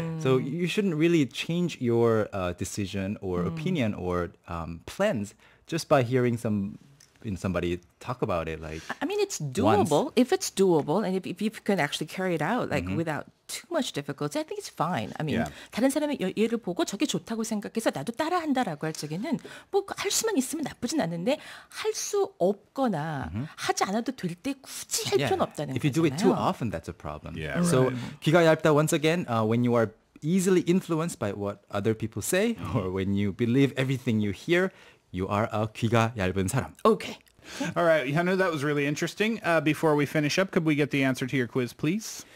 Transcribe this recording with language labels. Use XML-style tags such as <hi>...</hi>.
<en>Mm. So you shouldn't really change your decision or mm. opinion or plans just by hearing somebody talk about it. Like, I mean, it's doable. Once. If it's doable and if you can actually carry it out like mm-hmm. without too much difficulty, I think it's fine. I mean, yeah.</en> <ko>다른 사람의 예를 보고 저게 좋다고 생각해서 나도 따라한다라고 할 적에는 뭐 할 수만 있으면 나쁘진 않은데 할 수 없거나 mm-hmm. 하지 않아도 될 때 굳이 할</ko> <en>yeah.</en> <ko>필요는 없다는 거잖아요.</ko> <en>If you</en> <ko>거잖아요.</ko> <en>Do it too often, that's a problem. Yeah, so, right. 귀가 얇다, once again, when you are easily influenced by what other people say mm-hmm. or when you believe everything you hear, you are a</en> <ko>귀가 얇은 사람.</ko> <en>Okay. All right, Yanu, that was really interesting. Before we finish up, could we get the answer to your quiz, please?</en>